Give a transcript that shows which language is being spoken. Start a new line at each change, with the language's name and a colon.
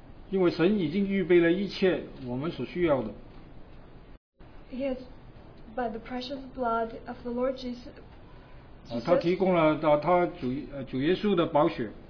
Chinese: 因为神已经预备了一切我们所需要的。
English: Yes, by the precious blood of the Lord Jesus.
Chinese: 他提供了他主耶稣的宝血。